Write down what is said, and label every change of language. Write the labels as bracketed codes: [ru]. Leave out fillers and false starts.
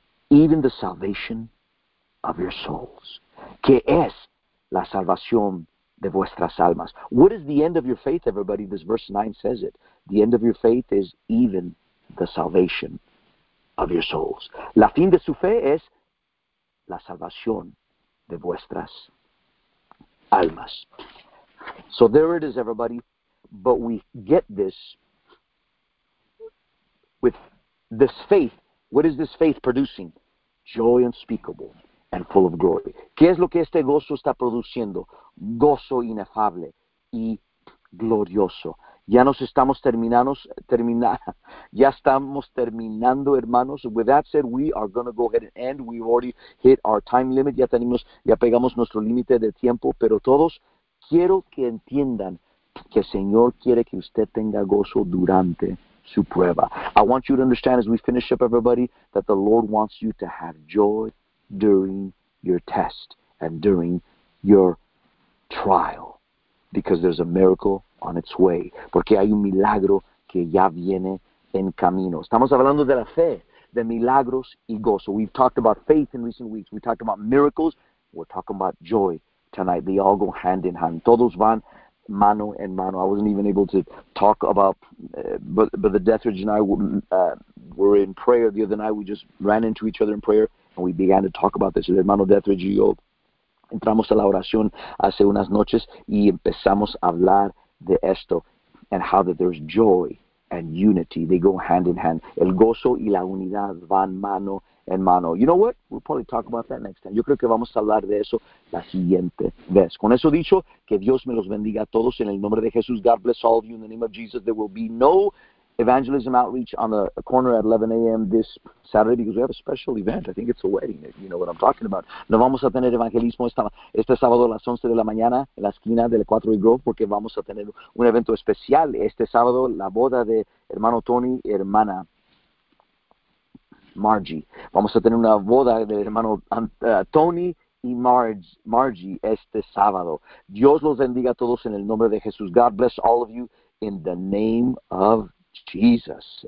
[en] Even the salvation of your souls. ¿Qué es la salvación de vuestras almas? What is the end of your faith, everybody? This verse 9 says it. The end of your faith is even the salvation of your souls. [es] La fin de su fe es la salvación de vuestras almas. [en] So there it is, everybody. But we get this with this faith. What is this faith producing? Joy unspeakable and full of glory. [es] ¿Qué es lo que este gozo está produciendo? Gozo inefable y glorioso. Ya nos estamos terminando, hermanos. [en] With that said, we are going to go ahead and end. We've already hit our time limit. Ya pegamos nuestro límite de tiempo. [es] Pero todos, quiero que entiendan que el Señor quiere que usted tenga gozo durante su prueba. [en] I want you to understand as we finish up, everybody, that the Lord wants you to have joy during your test and during your trial, because there's a miracle on its way. [es] Porque hay un milagro que ya viene en camino. Estamos hablando de la fe, de milagros y gozo. [en] We've talked about faith in recent weeks. We talked about miracles. We're talking about joy tonight. They all go hand in hand. Todos van mano en mano. I wasn't even able to talk about, but the Deathridge and I were in prayer the other night. We just ran into each other in prayer, and we began to talk about this. El hermano Deathridge y yo entramos a la oración hace unas noches y empezamos a hablar de esto, and how that there's joy and unity. They go hand in hand. [es] El gozo y la unidad van mano en mano. You know what? We'll probably talk about that next time. Yo creo que vamos a hablar de eso la siguiente vez. Con eso dicho, que Dios me los bendiga a todos en el nombre de Jesús. [en] God bless all of you in the name of Jesus. There will be no evangelism outreach on the corner at 11 a.m. this Saturday because we have a special event. I think it's a wedding. You know what I'm talking about. [es] No vamos a tener evangelismo este sábado a las 11 de la mañana en la esquina del 4 y Grove porque vamos a tener un evento especial este sábado, la boda de hermano Tony y hermana Margie. Vamos a tener una boda del hermano Tony y Margie este sábado. Dios los bendiga a todos en el nombre de Jesús. [en] God bless all of you in the name of Jesus.